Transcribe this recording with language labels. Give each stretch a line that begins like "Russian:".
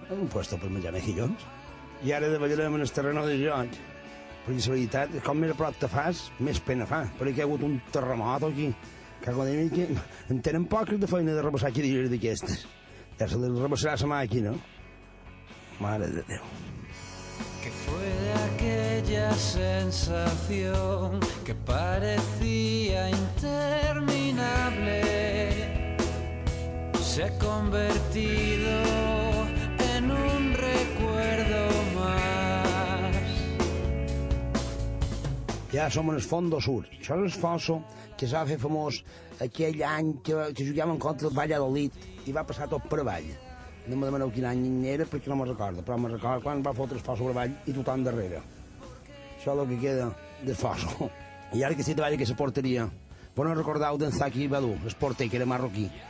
Catalan: En un puesto per menjar mejillons. I ara davallarem en el terreno de Jons. Perquè la veritat, com més a prop te fas, més pena fa. Perquè hi ha hagut un terremot aquí. Cago de mi, que en tenen poques de feina de repassar cadires d'aquestes. Ja se les repassarà la màquina. Mare de Déu.
Spanish: Que fue aquella sensación que parecía interminable, se ha convertido en un recuerdo más.
Catalan: Ja som en el Fondo Sur. Això és el fosso que s'ha fet famós aquell any que jugàvem contra el Valladolid i va passar tot per avall. No me demaneu quin any era, perquè no me'n recordo, però me'n recordo quan va fotre el fosso per avall i tothom darrere. Això és el que queda del fosso. I ara que estic davall d'aquesta porteria, però no recordeu d'en Zaki Badu, el porter, que era marroquí.